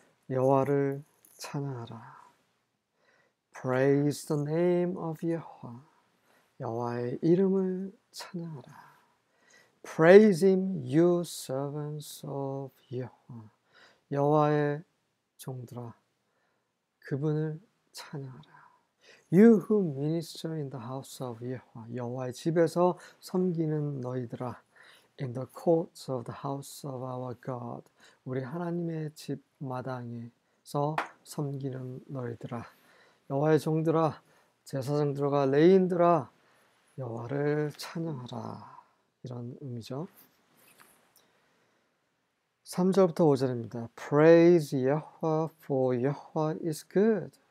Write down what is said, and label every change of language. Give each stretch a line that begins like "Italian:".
Korean: 여호와를 찬양하라.
English: Praise the name of Yehovah.
Korean: 여호와의 이름을 찬양하라.
English: Praise him, you servants of Yehovah.
Korean: 여호와의 종들아, 그분을 찬양하라.
English: You who minister in the house of Yehovah.
Korean: 여호와의 집에서 섬기는 너희들아.
English: In the courts of the house of our God.
Korean: 우리 하나님의 집 마당에서 섬기는 너희들아. 여호와의 종들아, 제사장들과 레인들아, 여호와를 찬양하라. 이런 의미죠. 3절부터 5절입니다.
English: Praise Yehovah, for Yehovah is good.